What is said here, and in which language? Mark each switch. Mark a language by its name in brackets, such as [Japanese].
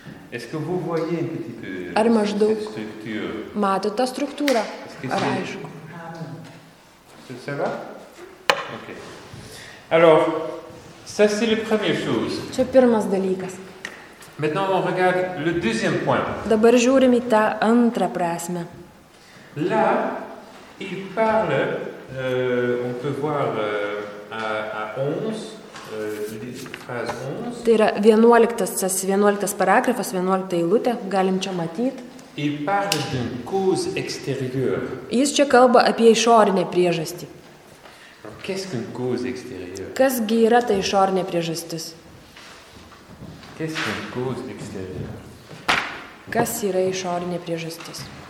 [French] Est-ce que vous voyez un petit peu cette structure? [Lithuanian] Matot tą struktūrą? Ar aišku? [French] Ça va? Ok. Alors, ça c'est la première chose. [Lithuanian] Čia pirmas dalykas. [French] Maintenant on regarde le deuxième point. [Lithuanian] Dabar žiūrim į tą antrą prasmę. [French] Là, il parle, on peut voir à 11, [Lithuanian] tai yra 11 paragrafas, 11 eilutė, galim čia matyti. [French] Il parle d'une cause extérieure. [Lithuanian] Jis čia kalba apie išorinę priežastį. [French] Qu'est-ce qu'une cause extérieure? [Lithuanian] Kas gi yra ta išorinė priežastis? [French] Qu'est-ce qu'une cause extérieure? [Lithuanian] Kas yra išorinė priežastis?